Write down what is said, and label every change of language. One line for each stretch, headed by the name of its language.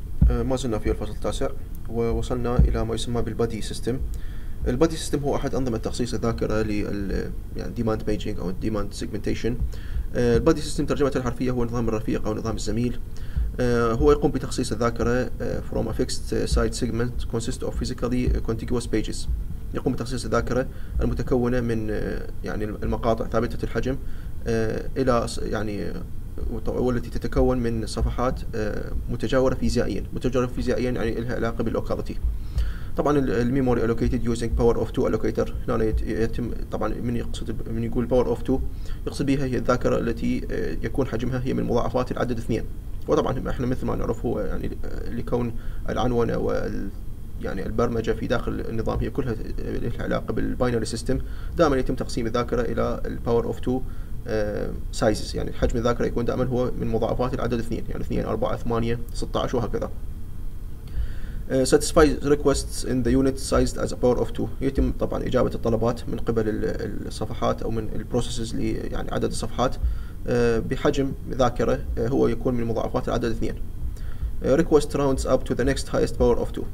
Arabic: ما زلنا في الفصل التاسع ووصلنا إلى ما يسمى بالبادي سيستم. البادي سيستم هو أحد أنظمة تخصيص الذاكرة لل يعني ديماند بيجينج أو ديماند سيجمنتيشن. البادي سيستم ترجمته الحرفية هو نظام الرفيق أو نظام الزميل. هو يقوم بتخصيص الذاكرة
English: from a fixed side segment consist of physically contiguous pages.
Arabic: يقوم بتخصيص الذاكرة المتكونة من يعني المقاطع ثابتة الحجم إلى يعني والتي تتكون من صفحات متجاورة فيزيائيا. متجاورة فيزيائيا يعني لها علاقة بالأوكالتي. طبعا الميموري
English: allocated using power of two allocator.
Arabic: هنا يتم طبعا من يقصد من يقول
English: power of two
Arabic: يقصد بها هي الذاكرة التي يكون حجمها هي من مضاعفات العدد 2. وطبعا احنا مثل ما نعرف هو يعني لكون العنونة وال يعني البرمجة في داخل النظام هي كلها لها علاقة بالباينري سيستم، دائما يتم تقسيم الذاكرة إلى
English: الباور of 2 sizes,
Arabic: يعني حجم الذاكرة يكون دائما هو من مضاعفات العدد 2، يعني 2 4 8 16 وهكذا.
English: satisfy requests in the unit sized as power of 2،
Arabic: يتم طبعا إجابة الطلبات من قبل الصفحات أو من البروسيسز اللي يعني عدد الصفحات بحجم ذاكرة هو يكون من مضاعفات العدد 2.
English: Request rounds up to the next highest power of two.